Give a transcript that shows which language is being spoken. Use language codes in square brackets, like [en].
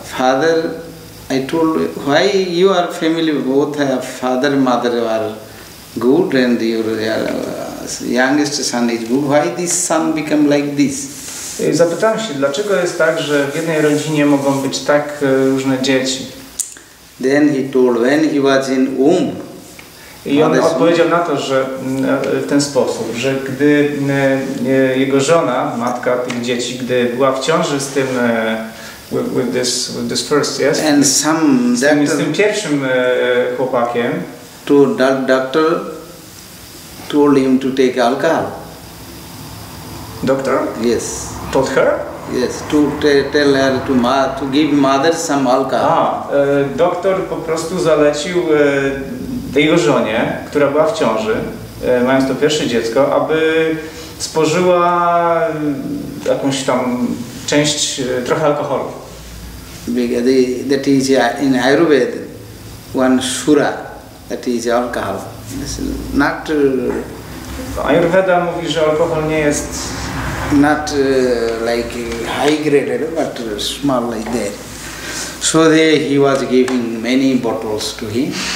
[en] Father, I told why you are family both have father mother are good and your youngest son is good. Why this son become like this? [pl] Zapytałem się, dlaczego jest tak, że w jednej rodzinie mogą być tak różne dzieci? [en] Then he told when he was in womb. [pl] I on odpowiedział na to, że w ten sposób, że gdy jego żona, matka tych dzieci, gdy była w ciąży z tym pierwszym chłopakiem, [en] to that doctor told him to take alcohol. Doctor? Yes. Told her? Yes, to tell her to give mother some alcohol. [pl] Doktor po prostu zalecił tej jego żonie, która była w ciąży, mając to pierwsze dziecko, aby spożyła jakąś tam część, trochę alkoholu. [en] Because that is in Ayurveda, one sura, that is alcohol. It's not... [pl] Ayurveda mówi, że alkohol nie jest... [en] Not like high-graded, but small like that. So there he was giving many bottles to him.